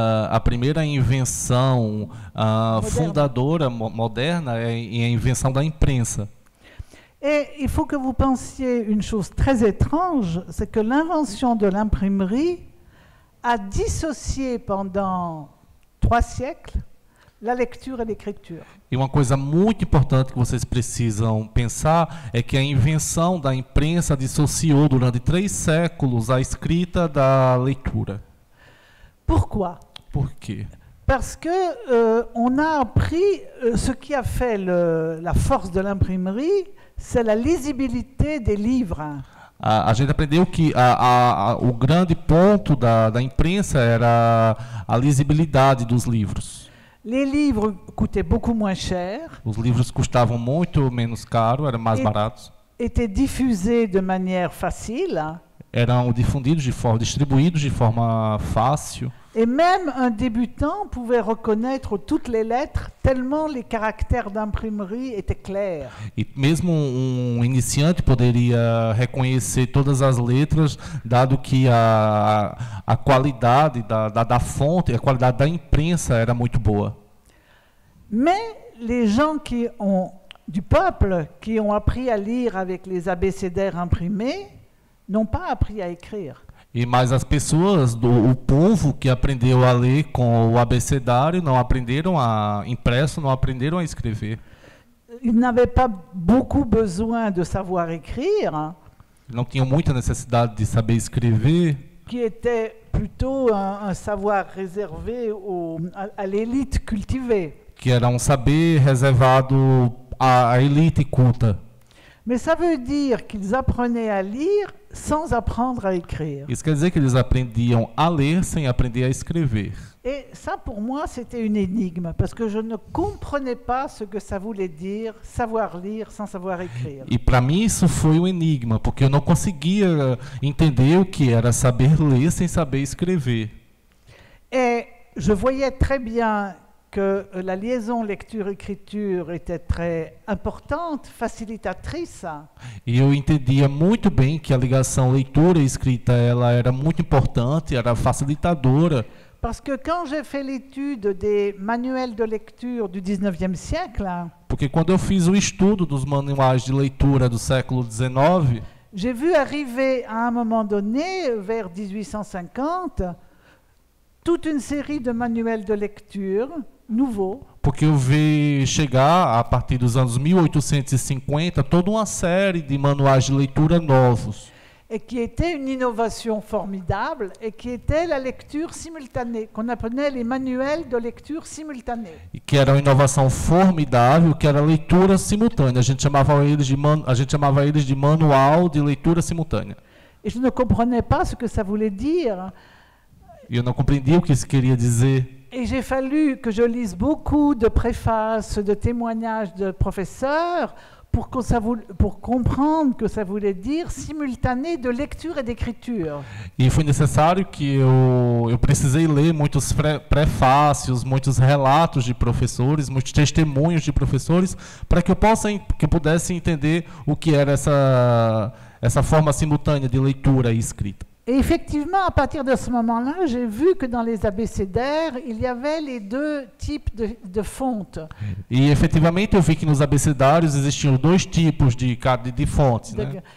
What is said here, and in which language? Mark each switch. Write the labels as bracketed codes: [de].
[pt] A primeira invenção fundadora, moderna, é a invenção da imprensa. [fr] Et il faut que vous pensiez une chose très étrange, c'est que l'invention de l'imprimerie a dissocié pendant 3 siècles la lecture et l'écriture. [pt] E uma coisa muito importante que vocês precisam pensar é que a invenção da imprensa dissociou durante 3 séculos a escrita da leitura. [fr] Pourquoi? [pt] Por quê? [fr] Parce que on a appris ce qui a fait la force de l'imprimerie, c'est la lisibilité des livres. [pt] A gente aprendeu que o grande ponto da imprensa era a lisibilidade dos livros. [fr] Les livres coûtaient beaucoup moins cher. [pt] Os livros custavam muito menos caro, eram mais baratos. [fr] Étaient diffusés de manière facile. [pt] Eram distribuídos de forma fácil. [fr] Et même un débutant pouvait reconnaître toutes les lettres, tellement les caractères d'imprimerie étaient clairs. [pt] E mesmo um iniciante poderia reconhecer todas as letras, dado que a qualidade da fonte, a qualidade da imprensa era muito boa. [fr] Mais les gens qui ont appris à lire avec les abécédaires imprimés n'ont pas appris à écrire. [pt] E mais as pessoas, o povo que aprendeu a ler com o abecedário, não aprenderam a impresso, não aprenderam a escrever. [fr] Ils n'avaient pas beaucoup besoin de savoir écrire. [pt] Não tinham muita necessidade de saber escrever. [fr] qui était plutôt un savoir réservé à l'élite cultivée. [pt] Que era um saber reservado à elite culta. [fr] Mais ça veut dire qu'ils apprenaient à lire sans apprendre à écrire. [pt] Isso quer dizer que eles aprendiam a ler sem aprender a escrever. [fr] Et ça, pour moi, c'était une énigme, parce que je ne comprenais pas ce que ça voulait dire, savoir lire sans savoir écrire. [pt] E para mim isso foi um enigma, porque eu não conseguia entender o que era saber ler sem saber escrever. [fr] Et je voyais très bien que la liaison lecture-écriture était très importante, facilitatrice. [pt] E eu entendia muito bem que a ligação leitura-escrita ela era muito importante, era facilitadora. [fr] Parce que quand j'ai fait l'étude des manuels de lecture du 19e siècle, [pt] porque quando eu fiz o estudo dos manuais de leitura do século 19, [fr] j'ai vu arriver à un moment donné vers 1850 toute une série de manuels de lecture nouveaux. [pt] Porque eu vi chegar a partir dos anos 1850 toda uma série de manuais de leitura novos. [fr] Et qui était une innovation formidable et qui était la lecture simultanée, qu'on appelait les manuels de lecture simultanée. [pt] E que era uma inovação formidável, que era leitura simultânea. A gente chamava eles de manual de leitura simultânea. [fr] Et je ne comprenais pas ce que ça voulait dire. [pt] Eu não compreendia o que isso queria dizer. [fr] Et j'ai fallu que je lise beaucoup de préfaces, de témoignages de professeurs pour comprendre que ça voulait dire simultané de lecture et d'écriture. [pt] E foi necessário que eu precisei ler muitos prefácios, muitos relatos de professores, muitos testemunhos de professores para que eu pudesse entender o que era essa forma simultânea de leitura e escrita. [fr] Et effectivement, à partir de ce moment-là, j'ai vu que dans les abécédaires, il y avait les deux types de fontes. [pt] E efetivamente, eu vi que nos abecedários existiam dois tipos de fontes, né?